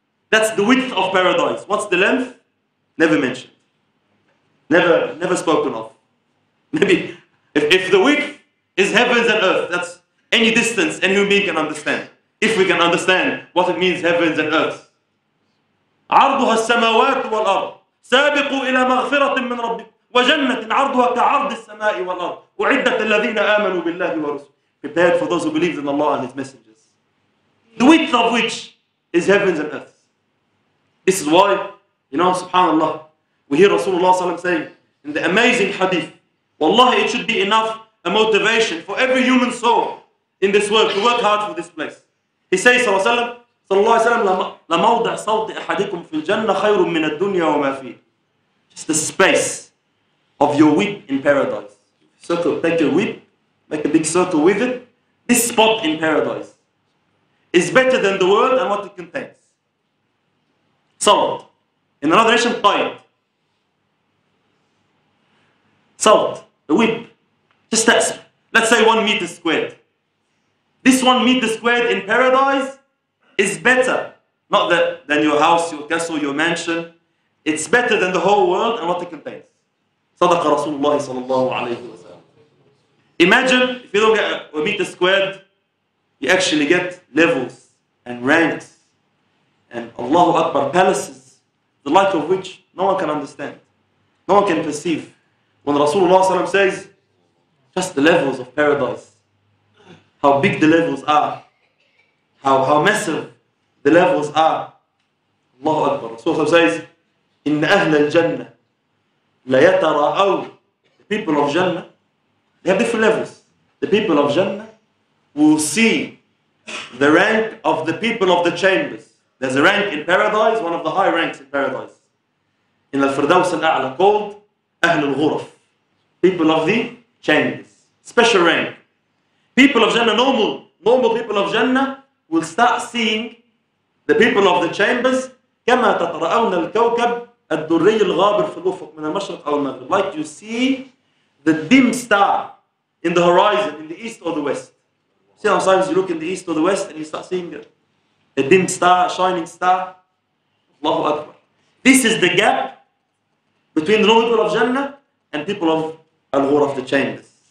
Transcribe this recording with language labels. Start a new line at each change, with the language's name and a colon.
English: That's the width of paradise. What's the length? Never mentioned. Never spoken of. Maybe if the width is heavens and earth, that's any distance any human being can understand. If we can understand what it means, heavens and earth.
Arabic: عرضها السماوات والأرض سابقوا إلى مغفرة من ربكم وجنة عرضها كعرض السماء والأرض وعدة الذين آمنوا بالله ورسوله.
English: Prepared for those who believe in Allah and His messengers. The width of which is heavens and earth. This is why, you know, subhanAllah, we hear Rasulullah SAW saying in the amazing hadith, Wallahi, it should be enough a motivation for every human soul in this world to work hard for this place. He says, SAW,
Arabic: لموضع صوت أحدكم في الجنة خير من الدنيا وما فيه.
English: Just the space of your whip in paradise. Circle, take your whip, make a big circle with it. This spot in paradise is better than the world and what it contains. Salt. In another nation, qayt. Salt, a whip. Just that, let's say 1 meter squared. This 1 meter squared in paradise is better, not that, than your house, your castle, your mansion. It's better than the whole world and what it contains.
Arabic: صدق رسول الله صلى الله عليه وسلم.
English: Imagine if you don't get a meter squared, you actually get levels and ranks and Allahu Akbar palaces, the like of which no one can understand. No one can perceive. When Rasulullah صلى الله عليه وسلم says, just the levels of paradise, how big the levels are, how massive the levels are. Allahu Akbar. Rasulullah صلى الله عليه وسلم says,
Arabic: إن أهل الجنة ليتراءوا
English: the people of Jannah. They have different levels. The people of Jannah will see the rank of the people of the chambers. There's a rank in paradise, one of the high ranks in paradise. In al-Firdaws al-A'la called Ahl al-Ghuraf. People of the chambers. Special rank. People of Jannah, normal people of Jannah will start seeing the people of the chambers
Arabic: كما تطرأون الكوكب الدري الغابر في الأفق من المشرق أو المغرب.
English: Like you see the dim star in the horizon, in the east or the west. See, sometimes you look in the east or the west and you start seeing a dim star, a shining star. Allahu Akbar. This is the gap between the people of Jannah and people of Al-Ghur of the chambers.